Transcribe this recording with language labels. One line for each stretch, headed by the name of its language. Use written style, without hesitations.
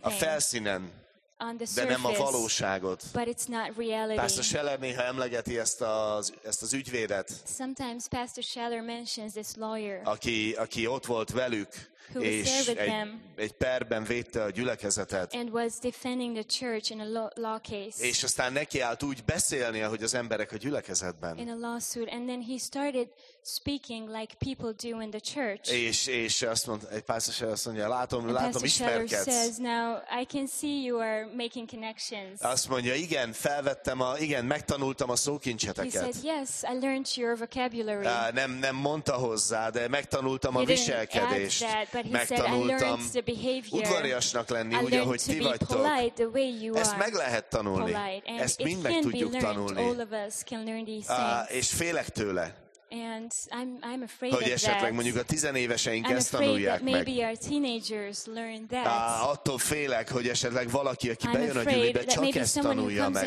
Hungarian: A felszínen.
English: On the surface,
Hungarian: de nem a valóságot.
English: But it's not reality.
Hungarian: Pastor Scheller néha emlegeti ezt az ügyvédet.
English: Sometimes Pastor Scheller mentions this lawyer.
Hungarian: Aki ott volt velük, és egy perben védte a gyülekezetet.
English: And was defending the church in a law case.
Hungarian: És aztán nekiállt úgy beszélni, ahogy az emberek a gyülekezetben.
English: In a lawsuit, and then he started speaking like people do in the church.
Hungarian: És azt mondta, egy pásztor Scheller azt mondja, látom ismerkedsz.
English: Pastor Scheller says, now I can see you are making connections.
Hungarian: Azt mondja, igen, megtanultam a szókincseteket.
English: He said, yes, I learned your vocabulary.
Hungarian: Nem mondta hozzá, de megtanultam a viselkedést.
English: He didn't add that, but he said, I learned the behavior.
Hungarian: Udvariasnak lenni, úgy, ahogy ti vagytok.
English: I learned to be polite the way you are.
Hungarian: Ezt meg lehet tanulni. Ezt mind meg tudjuk tanulni.
English: All of us can learn these things.
Hungarian: És félek tőle.
English: And I'm afraid of that.
Hungarian: Hogy esetleg mondjuk a tizenéveseink ezt tanulják meg.
English: I'm afraid that maybe our teenagers learn that.
Hungarian: Attól félek, hogy esetleg valaki, aki bejön a gyülekezetbe, csak ezt tanulja meg.